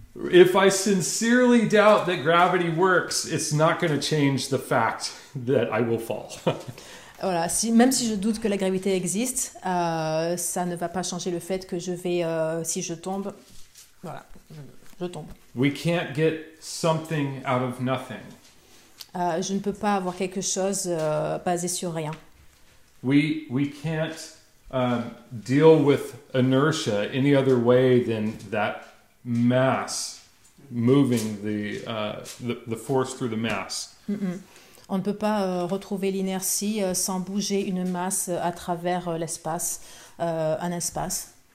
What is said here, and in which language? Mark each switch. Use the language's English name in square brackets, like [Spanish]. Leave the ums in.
[English] If I sincerely doubt that gravity works, it's not going to change the fact that I will fall. [French] voilà, si, même si je doute que la gravité existe, euh, ça ne va pas changer le fait que je vais, euh, si je tombe, voilà, je, je tombe. [English] We can't get something out of nothing. [French] Euh, je ne peux pas avoir quelque chose uh, basé sur rien. [English] We, we can't um, uh, deal with inertia any other way than that mass moving the, uh, the, the force through the mass. Mm -hmm. [French] On ne peut pas euh, retrouver l'inertie euh, sans bouger une masse euh, à travers l'espace, un espace.